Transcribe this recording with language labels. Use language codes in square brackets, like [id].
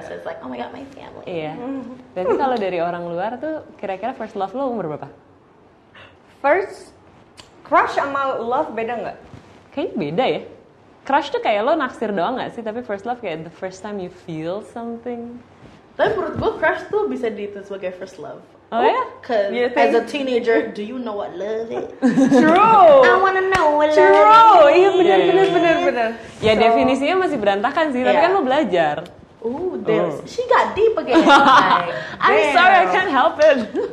[en] So it's like, oh my god, my family. [id] Iya. Berarti kalau dari orang luar tuh, kira-kira first love lo umur berapa? First crush sama love beda gak? Kayaknya beda ya. Crush tuh kayak lo naksir doang gak sih? Tapi [en] first love kayak the first time you feel something. [id] Tapi menurut gue crush tuh bisa dihitung sebagai first love. Oh ya? [en] Cause as a teenager, do you know what love is? True! I wanna know what true. Love is! True! [id] Iya bener. Ya so, definisinya masih berantakan sih, tapi kan lo belajar. [en] Ooh, she got deep again. Like, I'm sorry, I can't help it.